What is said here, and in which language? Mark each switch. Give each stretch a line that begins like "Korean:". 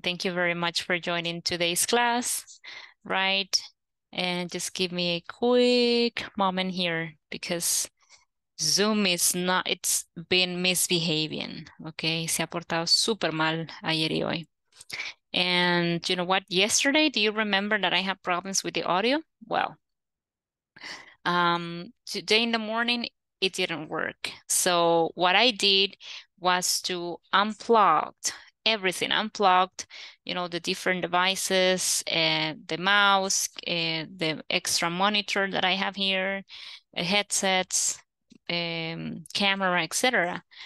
English: Thank you very much for joining today's class, right? And just give me a quick moment here because Zoom is not, it's been misbehaving, okay?
Spanish: Se ha portado super mal ayer y hoy.
English: And you know what? Yesterday, do you remember that I had problems with the audio? Well, today in the morning it didn't work. So what I did was to unplugged everything, unplugged, you know, the different devices and the mouse and the extra monitor that I have here, headsets, camera, etc.